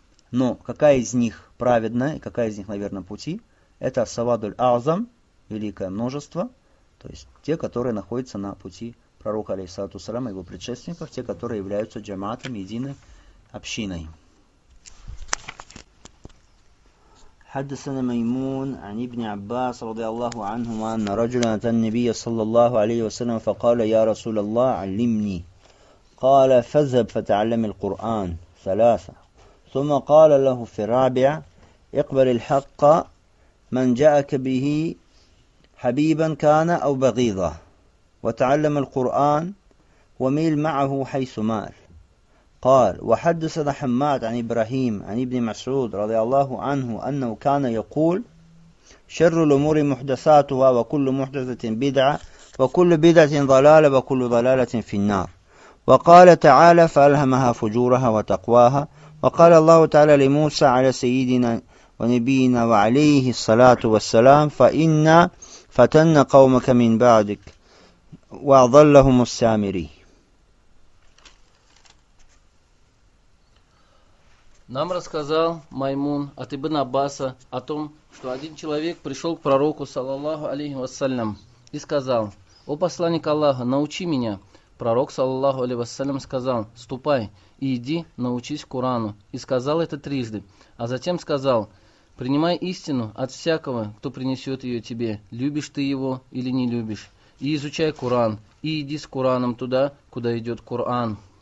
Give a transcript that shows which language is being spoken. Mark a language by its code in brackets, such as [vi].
[ru] Но какая из них праведная, и какая из них на верном пути, это Савадуль Азам, великое множество, то есть те, которые находятся на пути пророка, алейхиссалату вассалям, и его предшественников, те, которые являются джаматом, единой общиной. [ar] حدثنا ميمون عن ابن عباس رضي الله عنهما أن رجلا أتى النبي صلى الله عليه وسلم فقال يا رسول الله علمني قال فذهب فتعلم القرآن ثلاثة ثم قال له في الرابع اقبل الحق من جاءك به حبيبا كان أو بغيضا وتعلم القرآن وميل معه حيث مال قال وحدثنا حماد عن إبراهيم عن ابن مسعود رضي الله عنه أنه كان يقول شر الأمور محدثاتها وكل محدثة بدعة وكل بدعة ضلالة وكل ضلالة في النار وقال تعالى فألهمها فجورها وتقواها وقال الله تعالى لموسى على سيدنا ونبينا وعليه الصلاة والسلام فإنا فتن قومك من بعدك وأضلهم السامري. [ru] Нам рассказал Маймун от Ибн Аббаса о том, что один человек пришел к пророку, саллаллаху алейхи вассалям, и сказал, «О посланник Аллаха, научи меня!» Пророк, саллаллаху алейхи вассалям, сказал, «Ступай и иди научись Корану», и сказал это трижды, а затем сказал, «Принимай истину от всякого, кто принесет ее тебе, любишь ты его или не любишь, и изучай Коран, и иди с Кораном туда, куда идет Коран».